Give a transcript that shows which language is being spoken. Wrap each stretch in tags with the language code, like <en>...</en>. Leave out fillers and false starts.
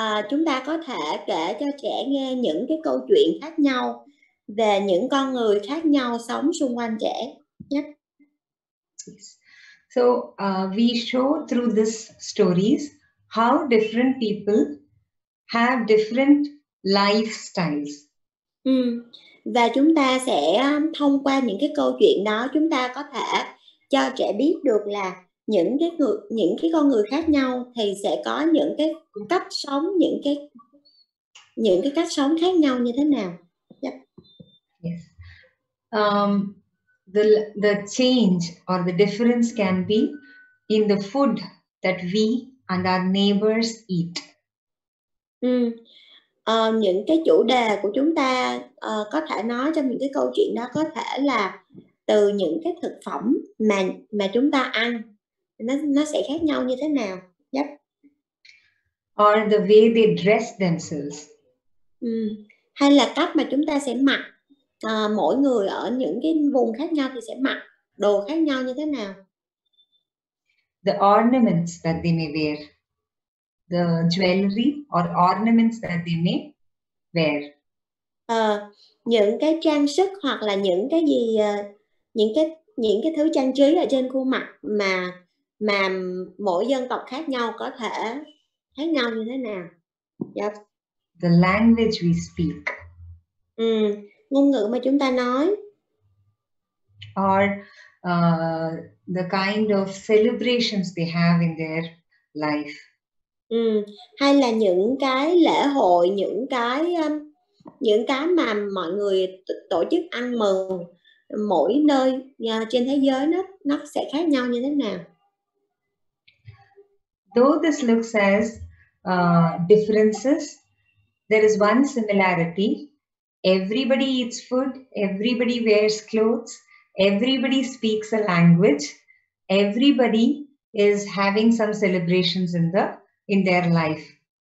<vi>Chúng ta có thể kể cho trẻ nghe những cái câu chuyện khác nhau về những con người khác nhau sống xung quanh trẻ nhé.</vi> <en>Yes. So we show through these stories how different people have different lifestyles.</en> <vi>Và chúng ta sẽ thông qua những cái câu chuyện đó, chúng ta có thể cho trẻ biết được là những cái con người khác nhau thì sẽ có những cái cách sống, những cái cách sống khác nhau như thế nào.</vi> <en>Yep. Yes. The change or the difference can be in the food that we and our neighbors eat.</en> <vi>Những cái chủ đề của chúng ta có thể nói trong những cái câu chuyện đó có thể là từ những cái thực phẩm mà chúng ta ăn, nó sẽ khác nhau như thế nào.</vi> <en>Yep. Or the way they dress themselves.</en> <vi>Hay là cách mà chúng ta sẽ mặc, mỗi người ở những cái vùng khác nhau thì sẽ mặc đồ khác nhau như thế nào.</vi> <en>The ornaments that they may wear. The jewelry or ornaments that they may wear.</en> <vi>Những cái trang sức hoặc là những cái gì, những cái thứ trang trí ở trên khuôn mặt mà mỗi dân tộc khác nhau có thể khác nhau như thế nào.</vi> <en>Yep. The language we speak.</en> <vi>Ngôn ngữ mà chúng ta nói.</vi> <en>Or the kind of celebrations they have in their life.</en> <vi>Hay là những cái lễ hội, những cái mà mọi người tổ chức ăn mừng, mỗi nơi trên thế giới nó sẽ khác nhau như thế nào.</vi> <en>Though this looks as differences, there is one similarity. Everybody eats food, everybody wears clothes, everybody speaks a language, everybody is having some celebrations in their life.</en>